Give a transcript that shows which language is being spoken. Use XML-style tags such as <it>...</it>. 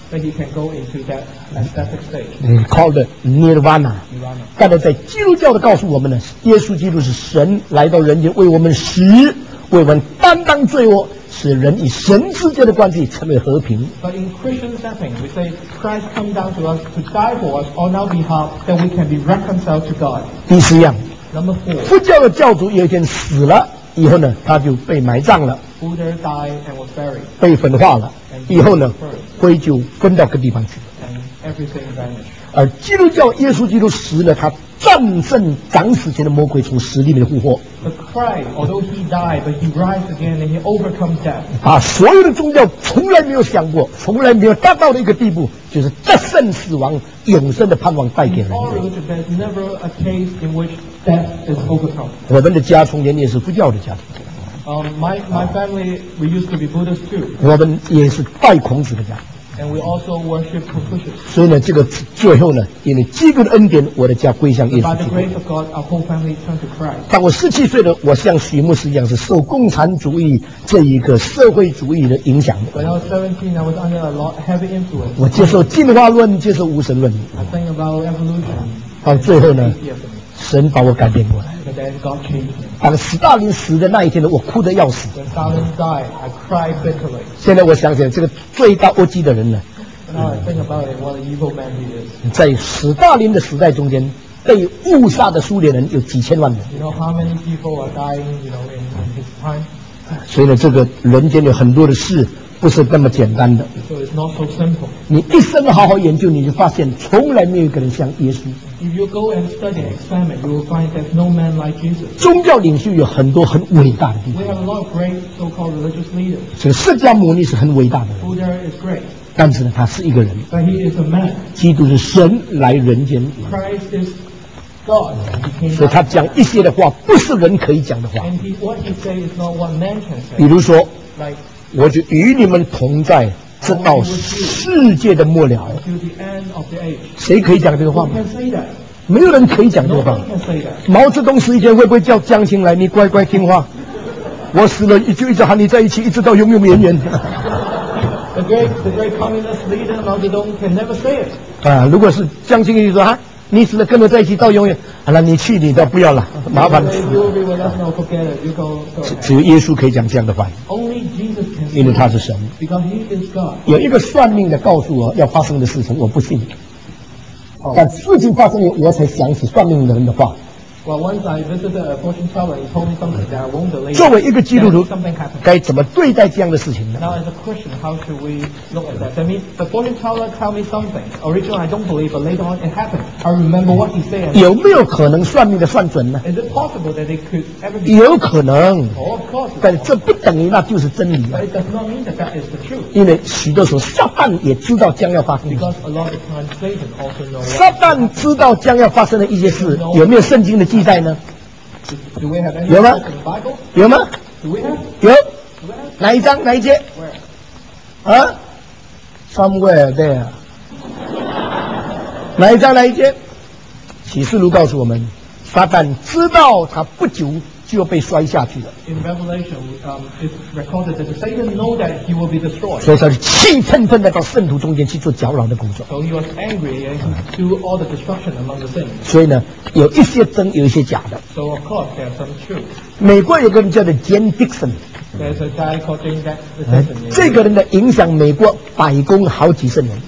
<en>that he can go into that aesthetic stage. Called Nirvana.</en> <zh>但是在基督教的告诉我们呢，耶稣基督是神来到人间为我们死，为我们担当罪恶。使人与神之间的关系成为和平。</zh> <en>But in Christian setting, we say Christ come down to us to die for us on our behalf, that we can be reconciled to God.</en> <zh>第四样。</zh> <en>Number four.</en> <zh>佛教的教主有一天死了以后呢，他就被埋葬了。</zh> <en>Buddha died and was buried.</en> <zh>被焚化了以后呢，灰就分到各地方去了。</zh> <en>And everything vanished.</en> <zh>而基督教耶稣基督死了，他战胜长死前的魔鬼，从死里面复活。</zh> <en>But Christ, although he died, but he rises again and he overcomes death.</en> <zh>啊，所有的宗教从来没有想过，从来没有达到的一个地步，就是战胜死亡、永生的盼望带给人。</zh> <en>All religions, there's never a case in which death is overcome.</en> <zh>我们的家从前也是佛教的家庭。</zh> <en>My family, we used to be Buddhist too.</en> <zh>我们也是拜孔子的家。</zh> <en>And we also worship Confucius.</en> <zh>所以呢，这个最后呢，因为基督的恩典，我的家归向耶稣基督。</zh> <en>By the grace of God, our whole family turned to Christ.</en> <zh>当我17岁的，我像许牧师一样，是受共产主义这一个社会主义的影响。</zh> <en>When I was 17, I was under a lot heavy influence.</en> <zh>我接受进化论，接受无神论。</zh> <en>I think about evolution.</en> <zh>到最后呢，神把我改变过来。</zh> <en>But then God changed me.</en> <zh>当斯大林死的那一天呢，我哭得要死。</zh> <en>When Stalin died, I cried bitterly.</en> <zh>现在我想起来，这个罪大恶极的人呢。</zh> <en>Now I think about it, what an evil man he is.</en> <zh>在斯大林的时代中间，被误杀的苏联人有几千万人。</zh> <en>You know how many people are dying, you know, in his time?</en> <zh>所以呢，这个人间有很多的事不是那么简单的。</zh> <en>So it's not so simple.</en> <zh>你一生好好研究，你就发现从来没有一个人像耶稣。</zh> <en>If you go and study and experiment, you will find there's no man like Jesus.</en> <zh>宗教领袖有很多很伟大的地方。</zh> <en>We have a lot of great so-called religious leaders.</en> <zh>所以释迦牟尼是很伟大的人。</zh> <en>Buddha is great.</en> <zh>但是呢，他是一个人。</zh> <en>But he is a man.</en> <zh>基督是神来人间。</zh> <en>Christ is God. He</en> <zh>所以他讲一些的话不是人可以讲的话。</zh> <en>And what he say is not what man can say.</en> <zh>比如说，我就与你们同在。直到世界的末了，谁可以讲这个话吗？没有人可以讲这个话。毛泽东死以前会不会叫江青来？你乖乖听话，我死了就一直喊你在一起，一直到永永远远。</zh> <en>The great communist leader Mao Zedong can never say it.</en> <zh>啊，如果是江青跟你说哈，你死了跟着在一起到永远，好了，你去你的，不要了，麻烦死了。只有耶稣可以讲这样的话。因为他是神。有一个算命的告诉我要发生的事情，我不信。但事情发生，我才想起算命的人的话。</zh> <en>Well, once I visited a fortune teller, he told me something that I won't believe.</en> <zh>作为一个基督徒，该怎么对待这样的事情呢</zh> <en>？Now as a Christian, how should we look at that? That means the fortune teller tell me something. Originally, I don't believe, but later on it happened. I remember what he said.</en> <zh>有没有可能算命的算准呢</zh> <en>？Is it possible that they could ever be?</en> <zh>有可能。</zh> <en>Oh, of course.</en> <zh>但这不等于那就是真理、啊。</zh> <en>But it does not mean that that is the truth.</en> <zh>因为许多时候，撒旦也知道将要发生。</zh> <en>Because a lot of times, Satan also knows.</en> <zh>撒旦知道将要发生的一些事，有没有圣经的？记载呢？有吗？有吗？有。哪一章？哪一节？啊 ？</zh> <en>Somewhere there</en> <zh>。哪一章？哪一节？启示录告诉我们，撒旦知道他不久就要被摔下去了。</zh> <en>In Revelation, it's recorded that Satan knows that he will be destroyed.</en> <zh>所以他是气喷喷的到圣徒中间去做搅扰的工作。</zh> <en>So he was angry and he do all the destruction among the saints.</en> <zh>所以呢，有一些真，有一些假的。</zh> <en>So of course there are some truth.</en> <zh>美国有个人叫做 Jane Dixon.</zh> <en>There's a guy called Jane Dixon.</en> <zh>这个人的影响美国白宫好几十年。</zh>